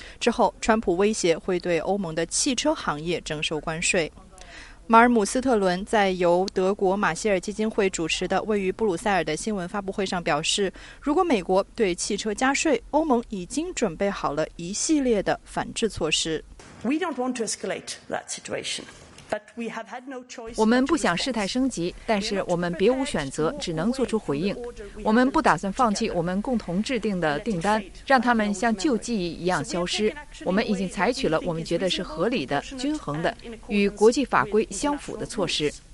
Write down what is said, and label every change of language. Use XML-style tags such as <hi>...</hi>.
<zh>之后川普威胁会对欧盟的汽车行业征收关税。马尔姆斯特伦在由德国马歇尔基金会主持的位于布鲁塞尔的新闻发布会上表示，如果美国对汽车加税，欧盟已经准备好了一系列的反制措施。</zh> <en>We don't want to escalate that situation, but we have had no choice.</en> <zh>我们不想事态升级，但是我们别无选择，只能做出回应。我们不打算放弃我们共同制定的订单，让他们像旧记忆一样消失。我们已经采取了我们觉得是合理的、均衡的、与国际法规相符的措施。</zh>